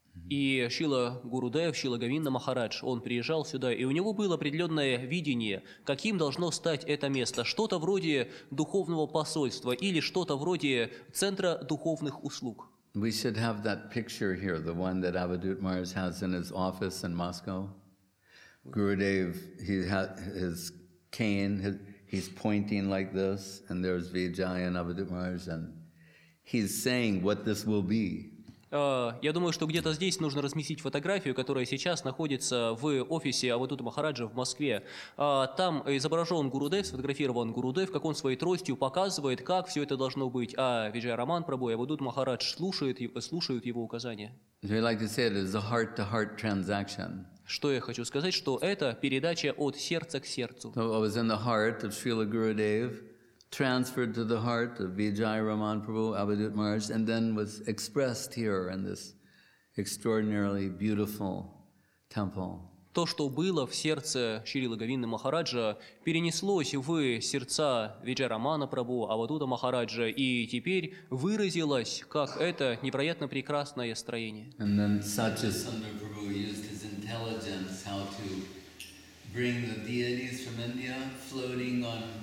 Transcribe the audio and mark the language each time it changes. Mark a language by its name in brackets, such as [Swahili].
[Russian] И Шрила Гурудев, Шрила Говинда Махарадж, он приезжал сюда, и у него было определенное видение, каким должно стать это место. Что-то вроде духовного посольства или что-то вроде центра духовных услуг. [English] We should have that picture here, the one that Avadhut Maharaj has in his office in Moscow. Gurudev, he had his cane, he's pointing like this, and there's Vijaya and Avadhut Maharaj, and he's saying what this will be. [Russian] Я думаю, что где-то здесь нужно разместить фотографию, которая сейчас находится в офисе Авадут Махараджа в Москве. Там изображен Гурудев, сфотографирован Гурудев, как он своей тростью показывает, как все это должно быть. А Виджая Роман Прабу и Авадут Махарадж слушают его указания. [English] We like to say it is a heart-to-heart transaction. [Russian] Что я хочу сказать, что это передача от сердца к сердцу. [English] So it was in the heart of Srila Gurudev. Transferred to the heart of Vijaya Raman Prabhu, Avadhut Maharaj, and then was expressed here in this extraordinarily beautiful temple. [Russian] То, что было в сердце Шрилы Говинды Махараджа, перенеслось в сердца Виджая Рамана Прабху, Авадута Махараджа, и теперь выразилось, как это невероятно прекрасное строение. [English] And then Satchasandra Prabhu used his intelligence how to bring the deities from India floating on